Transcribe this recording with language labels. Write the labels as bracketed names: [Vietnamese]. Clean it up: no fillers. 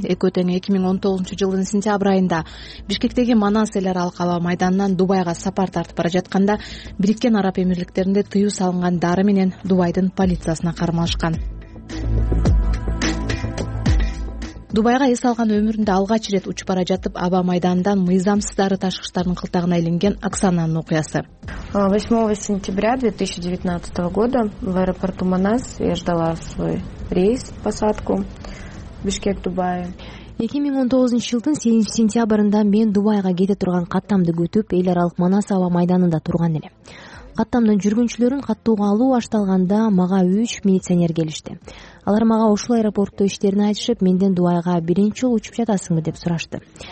[Kyrgyz] Эки тең 2019 жылдын сентябрь айында Бишкектеги Манас эл аралык алаа майданынан Дубайга сапар тартып бара жатканда Бириккен Араб Эмирликтеринде тыюу салынган дары менен Дубайдын полициясына кармашкан. Дубайга эс алган өмүрүндө алгач ирет учуп бара жатып, аба майданынан мыйзамсыз дары ташкыштардын кылтагына илинген Оксананын окуясы. [Russian] 8 сентября 2019 года в аэропорту Манас я ждала свой рейс, посадку Бишкек-Дубай. [Kyrgyz] 2019 жылдын 8 сентябрында мен Дубайга кете турган каттамды күтүп, эл аралык Манас аба майданында турган элем. Каттамдын жүргүнчүлөрүн каттоого алуу башталганда мага 3 милиционер келишти. Алар мага ушул аэропортто иштерин айтышып, менден Дубайга биринчи жолу учуп жатасыңбы деп сурашты.